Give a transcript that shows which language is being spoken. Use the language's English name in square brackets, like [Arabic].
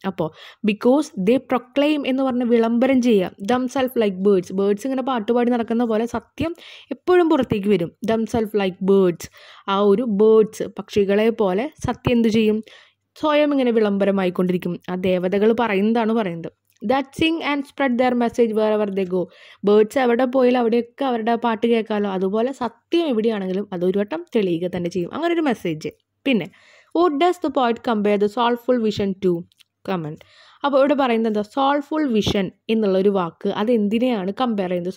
[Malayalam] അപ്പോൾ [English] because they proclaim [Malayalam] എന്ന് പറഞ്ഞ് വിളംബരം ചെയ്യുക, [English] them self like birds, [Malayalam] birds ഇങ്ങനെ പാട്ടുപാടി നടക്കുന്ന പോലെ സത്യം എപ്പോഴും പുറത്തേക്ക് വരും. [English] them self like birds, [Malayalam] ആ ഒരു ബേർഡ്സ് പക്ഷികളെ പോലെ സത്യം എന്തു ചെയ്യും, സ്വയം ഇങ്ങനെ വിളംബരമായിക്കൊണ്ടിരിക്കും. ആ ദേവതകൾ പറയുന്നതാണ് പറയുന്നത്. [English] That sing and spread their message wherever they go. [Malayalam] Birds എവിടെ പോയാലും അവിടെയൊക്കെ അവരുടെ പാട്ട് കേൾക്കാമല്ലോ. അതുപോലെ സത്യം എവിടെയാണെങ്കിലും അതൊരു വട്ടം തെളിയുക തന്നെ ചെയ്യും. അങ്ങനെ ഒരു മെസ്സേജ്. പിന്നെ [English] what does the poet compare the soulful vision to? Comment. [Malayalam] അപ്പോൾ ഇവിടെ പറയുന്നത് എന്താ, സോൾഫുൾ വിഷൻ എന്നുള്ളൊരു വാക്ക് അത് എന്തിനെയാണ് കമ്പയർ ചെയ്യുന്നത്?